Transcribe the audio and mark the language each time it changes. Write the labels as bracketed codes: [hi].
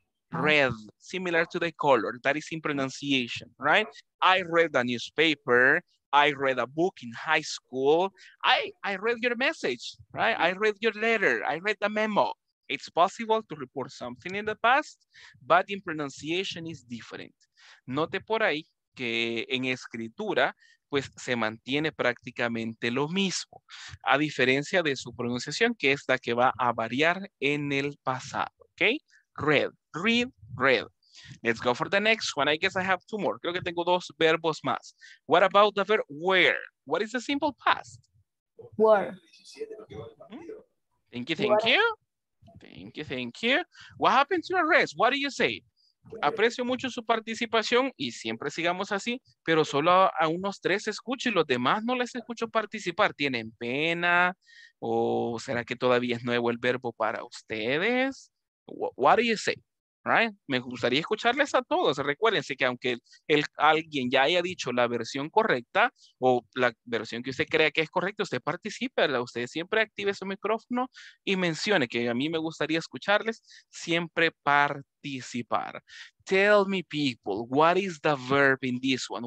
[en] Red, similar to the color, that is in pronunciation, right? I read the newspaper, I read a book in high school. I read your message, right? I read your letter. I read the memo. It's possible to report something in the past, but in pronunciation is different. [es] Note por ahí que en escritura, pues se mantiene prácticamente lo mismo, a diferencia de su pronunciación, que es la que va a variar en el pasado, ¿ok? [en] Read, read, read. Let's go for the next one. I guess I have two more. [es] Creo que tengo dos verbos más. [en] What about the verb wear? What is the simple past? Wear. Thank you, thank you. Thank you, thank you. What happened to the rest? What do you say? [es] Aprecio mucho su participación y siempre sigamos así, pero solo a unos tres escucho y los demás no les escucho participar. ¿Tienen pena? ¿O será que todavía es nuevo el verbo para ustedes? [en] What do you say? Right? [es] Me gustaría escucharles a todos. Recuérdense que aunque alguien ya haya dicho la versión correcta o la versión que usted crea que es correcta, usted participe, ¿verdad? Usted siempre active su micrófono y mencione que a mí me gustaría escucharles, siempre participar. [en] Tell me, people, what is the verb in this one?